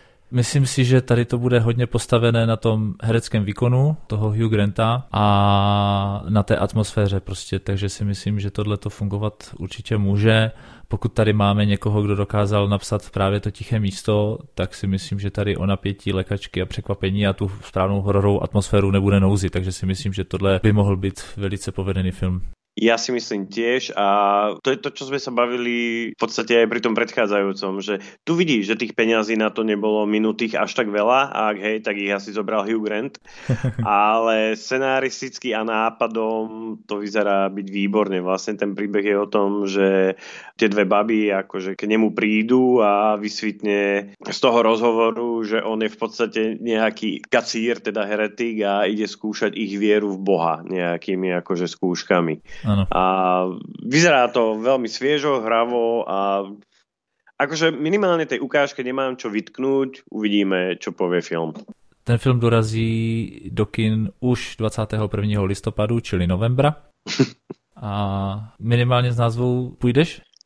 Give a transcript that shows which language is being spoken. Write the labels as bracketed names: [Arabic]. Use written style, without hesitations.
[Czech] Myslím si, že tady to bude hodně postavené na tom hereckém výkonu toho Hugh Granta a na té atmosféře prostě, takže si myslím, že tohle to fungovat určitě může. Pokud tady máme někoho, kdo dokázal napsat právě to Tiché místo, tak si myslím, že tady o napětí, lékačky a překvapení a tu správnou hororovou atmosféru nebude nouzi, takže si myslím, že tohle by mohl být velice povedený film. [Slovak] Ja si myslím tiež a to je to, čo sme sa bavili v podstate aj pri tom predchádzajúcom, že tu vidíš, že tých peňazí na to nebolo minutých až tak veľa a ak hej, tak ich asi zobral Hugh Grant, ale scenaristicky a nápadom to vyzerá byť výborne. Vlastne ten príbeh je o tom, že tie dve baby akože k nemu prídu a vysvitne z toho rozhovoru, že on je v podstate nejaký kacír, teda heretik a ide skúšať ich vieru v Boha nejakými akože skúškami. [Czech] Ano. [Slovak] A vyzerá to veľmi sviežo, hravo a akože minimálne tej ukážke nemám čo vytknúť, uvidíme, čo povie film. [Czech] Ten film dorazí do kin už 21. listopadu, čili novembra. A minimálne s názvou půjdeš?